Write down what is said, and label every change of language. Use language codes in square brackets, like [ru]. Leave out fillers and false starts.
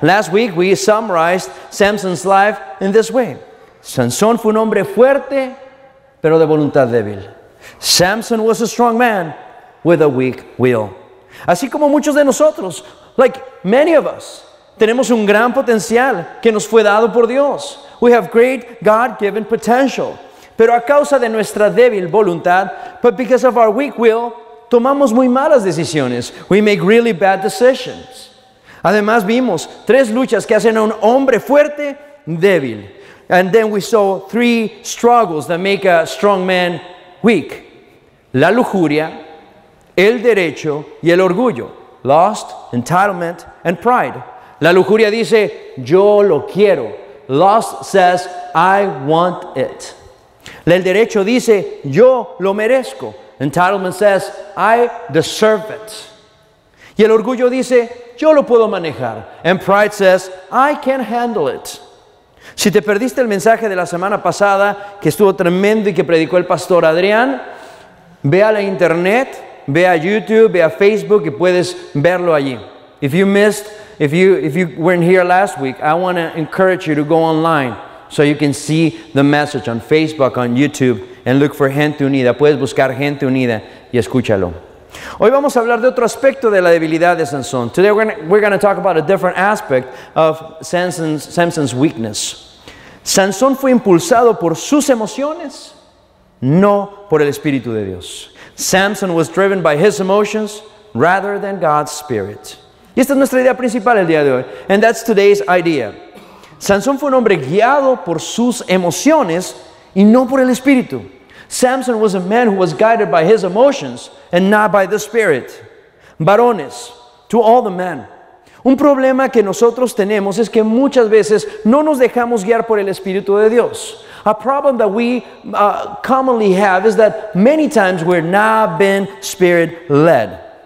[en] Last week we summarized Samson's life in this way. [es] Sansón fue un hombre fuerte, pero de voluntad débil. [en] Samson was a strong man with a weak will. [es] Así como muchos de nosotros, [en] like many of us, [es] tenemos un gran potencial que nos fue dado por Dios. [en] We have great God-given potential. [es] Pero a causa de nuestra débil voluntad, [en] but because of our weak will, tomamos muy malas decisiones. We make really bad decisions. [es] Además, vimos tres luchas que hacen a un hombre fuerte, débil. [en] And then we saw three struggles that make a strong man weak. [es] La lujuria, el derecho y el orgullo. [en] Lust, entitlement, and pride. [es] La lujuria dice, yo lo quiero. [en] Lust says, I want it. [es] El derecho dice, yo lo merezco. [en] Entitlement says, I deserve it. [es] Y el orgullo dice, yo lo puedo manejar. [en] And pride says, I can handle it. [es] Si te perdiste el mensaje de la semana pasada, que estuvo tremendo y que predicó el pastor Adrián, ve a la internet, ve a YouTube, ve a Facebook y puedes verlo allí. [en] If you missed, if you weren't here last week, I want to encourage you to go online so you can see the message on Facebook, on YouTube. And look for Gente Unida. [es] Puedes buscar Gente Unida y escúchalo. Hoy vamos a hablar de otro aspecto de la debilidad de Sansón. [en] Today we're going to talk about a different aspect of Samson's weakness. [es] Sansón fue impulsado por sus emociones, no por el Espíritu de Dios. [en] Samson was driven by his emotions rather than God's Spirit. [es] Y esta es nuestra idea principal el día de hoy. [en] And that's today's idea. [es] Sansón fue un hombre guiado por sus emociones y no por el Espíritu. [en] Samson was a man who was guided by his emotions and not by the Spirit. [es] Varones, [en] to all the men. [es] Un problema que nosotros tenemos es que muchas veces no nos dejamos guiar por el Espíritu de Dios. [en] A problem that we commonly have is that many times we're not been Spirit-led.